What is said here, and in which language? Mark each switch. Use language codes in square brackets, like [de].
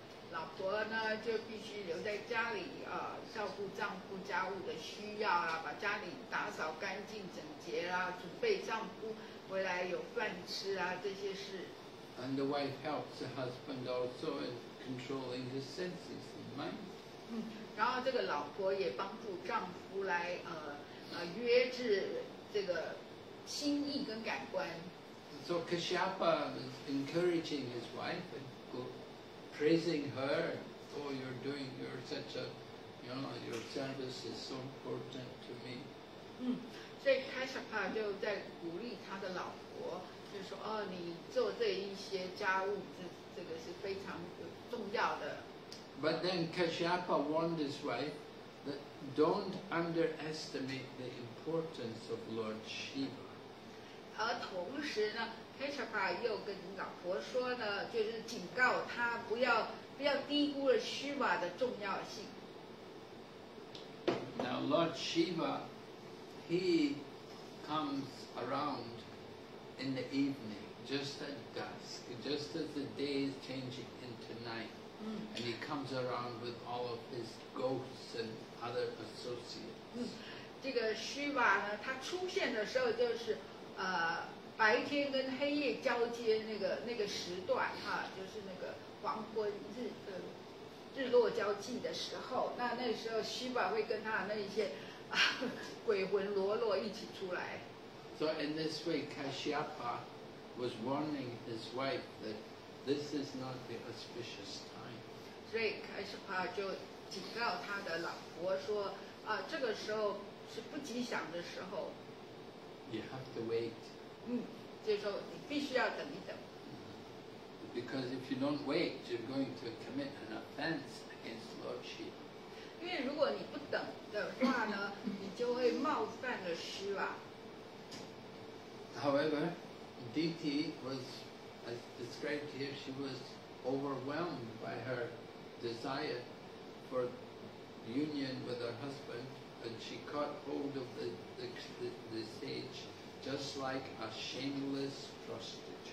[zh] 老婆呢就必须留在家里照顾丈夫家务的需要啊，把家里打扫干净整洁啦，准备丈夫回来有饭吃啊，这些事。 [en] And the wife helps the husband also in controlling his senses and mind. [zh] 然后这个老婆也帮助丈夫来约制这个心意跟感官。 [en] So Kashyapa is encouraging his wife and praising her, oh, you're such a, you know, your service is so important to me. [zh] 所以开始吧，就在鼓励他的老婆，就说哦，你做这一些家务，这个是非常重要的。 [en] But then Kashyapa warned his wife that don't underestimate the importance of Lord Shiva. [zh] 而同时呢。Kashyapa 又跟老婆说呢，就是警告她不要低估了 Shiva 的重要性。 [en] Now Lord Shiva, he comes around in the evening, just at dusk, just as the day is changing into night, and he comes around with all of his ghosts and other associates. [zh] 这个 Shiva 呢，他出现的时候就是白天跟黑夜交接那个时段哈，就是那个黄昏日落交际的时候，那时候西巴会跟他那一些鬼魂罗罗一起出来。 [en] So in this way, Kashyapa was warning his wife that this is not the auspicious time. [zh] 所以 Kashyapa 就警告他的老婆说，啊，这个时候是不吉祥的时候。 [en] You have to wait. [zh] 就是说你必须要等一等。 [en] Because if you don't wait, you're going to commit an offense against Lord Shiva. [zh] 因为如果你不等的话呢，你就会冒犯了 Shiva。 [en] However, Diti was, as described here, she was overwhelmed by her desire for union with her husband, and she caught hold of the sage just like a shameless prostitute.